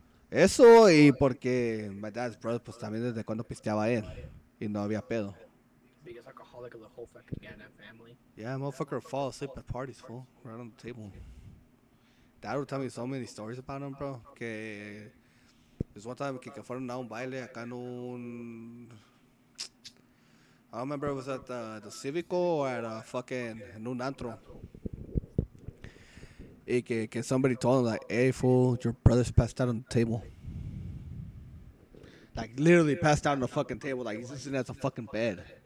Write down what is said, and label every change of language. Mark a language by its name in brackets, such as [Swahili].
[Spanish] Eso y porque [English] my dad's brother, [Spanish] pues también desde cuando pisteaba él. Y no había pedo. [English] Biggest alcoholic of the whole fucking Ghana family. Yeah, motherfucker would fall asleep at parties, fool. Right on the table. Dad would tell me so many stories about him, bro. [Spanish] Que. [English] There's one time [Spanish] que fueron a un baile acá en un. [English] I don't remember if it was at the Civico or at a fucking [Spanish] en un antro. Y que [English] somebody told him, like, hey, fool, your brother's passed out on the table. Like, literally passed out on the fucking table. Like, he's just sitting at the fucking bed.